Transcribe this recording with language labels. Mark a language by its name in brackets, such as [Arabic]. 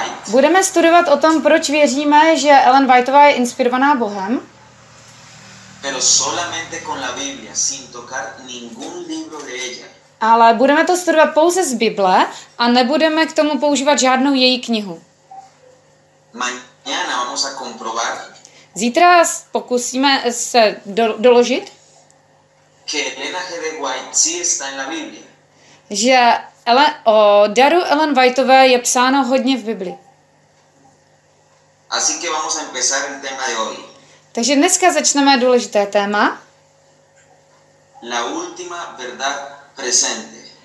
[Czech] Budeme studovat o tom, proč věříme, že Ellen Whiteová je inspirovaná Bohem. [Spanish] Pero solamente con la Biblia, sin tocar ningún libro de ella. [Czech] Ale budeme to studovat pouze z Bible a nebudeme k tomu používat žádnou její knihu. [Spanish] Mañana vamos a comprobar. [Czech] Zítra pokusíme se doložit. [Spanish] Que Elena G. de White sí está en la Biblia. [Czech] Že o daru Ellen Whiteové je psáno hodně v Bibli. [Spanish] Así que vamos a empezar el tema de hoy. [Czech] Takže dneska začneme důležité téma. [Spanish] La última verdad presente.